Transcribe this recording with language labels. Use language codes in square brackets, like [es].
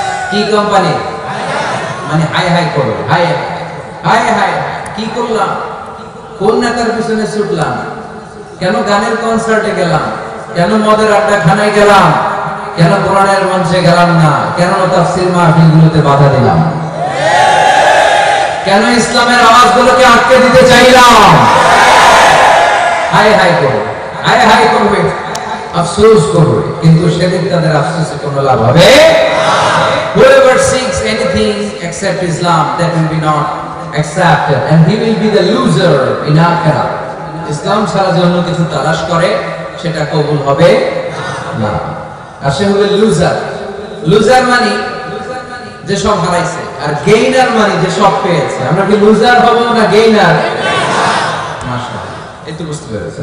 [bn] কি কোম্পানি মানে high high করো হাই হাই হাই কি করলাম কোন নেতার পিছনে ছুটলাম কেন গানের কনসার্টে গেলাম কেন মদের আড্ডা খানায় গেলাম কেন কোরআনের মঞ্চে গেলাম না কেন তাফসীর মাহফিলগুলোতে বাধা দিলাম কেন ইসলামের আওয়াজগুলোকে আটকে দিতে চাইলাম? হাই হাই করো, হাই হাই করবে, আফসোস করবে, কিন্তু সেদিন তাদের আফসোসে কোনো লাভ হবে না। [en] Whoever seeks anything except Islam, that will be not accepted, and he will be the loser in Akhirah. [bn] ইসলাম ছাড়া যে অন্য কিছু তালাশ করে সেটা কবুল হবে না, আর সে হবে লুজার। লুজার মানে যে সব হারাইছে, আর গেইনার মানে যে সব পেয়েছে। আমরা কি লুজার হব না গেইনার? মাশাআল্লাহ, এটা বুঝতে পেরেছে।